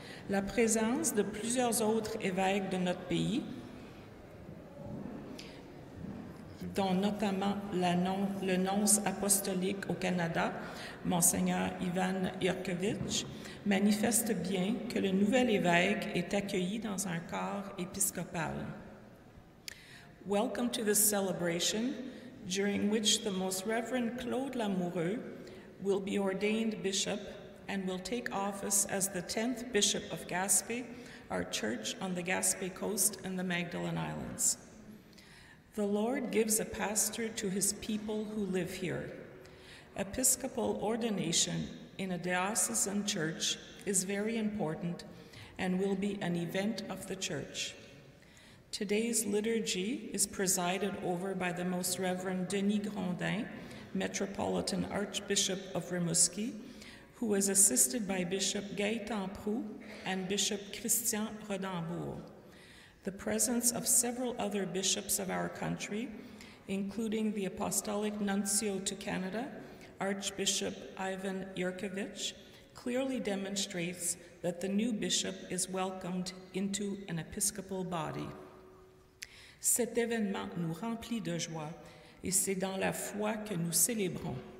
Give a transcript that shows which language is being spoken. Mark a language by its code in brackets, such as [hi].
[fr] La présence de plusieurs autres évêques de notre pays, dont notamment le nonce apostolique au Canada, Mgr Ivan Yurkevich, manifeste bien que le nouvel évêque est accueilli dans un corps épiscopal. [en] Welcome to this celebration, during which the Most Reverend Claude Lamoureux will be ordained bishop and will take office as the 10th bishop of Gaspé, our church on the Gaspé coast and the Magdalen Islands. The Lord gives a pastor to his people who live here. Episcopal ordination in a diocesan church is very important and will be an event of the church. Today's liturgy is presided over by the Most Reverend Denis Grondin, Metropolitan Archbishop of Rimouski, who is assisted by Bishop Gaëtan Proux and Bishop Christian Rodembourg. The presence of several other bishops of our country, including the Apostolic Nuncio to Canada, Archbishop Ivan Yurkevich, clearly demonstrates that the new bishop is welcomed into an episcopal body. [fr] Cet événement nous remplit de joie, et c'est dans la foi que nous célébrons.